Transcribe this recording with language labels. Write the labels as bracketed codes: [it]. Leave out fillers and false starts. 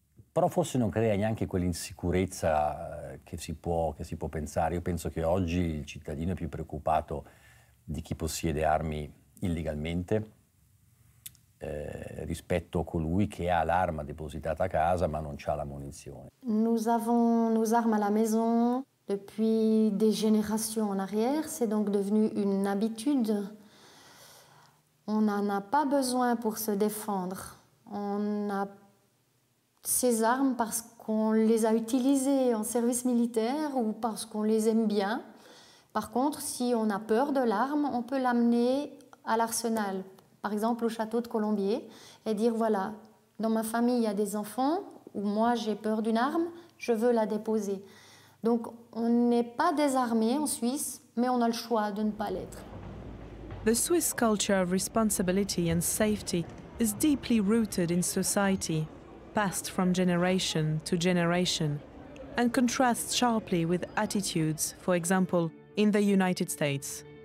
[it] Però forse non crea neanche quell'insicurezza che si può pensare. Io penso che oggi il cittadino è più preoccupato di chi possiede armi illegalmente rispetto a colui che ha l'arma depositata a casa ma non c'ha la munizione. [fr] Nous avons nos armes à la maison depuis des générations en arrière, c'est donc devenu une habitude. On n'en a pas besoin pour se défendre. On a ces armes parce qu'on les a utilisées en service militaire ou parce qu'on les aime bien. Par contre, si on a peur de l'arme, on peut l'amener à l'arsenal, par exemple au château de Colombier, et dire voilà, dans ma famille il y a des enfants, ou moi j'ai peur d'une arme, je veux la déposer. Donc on n'est pas désarmé en Suisse, mais on a le choix de ne pas l'être. [en] The Swiss culture of responsibility and safety is deeply rooted in society, passed from generation to generation, and contrasts sharply with attitudes, for example, in the United States.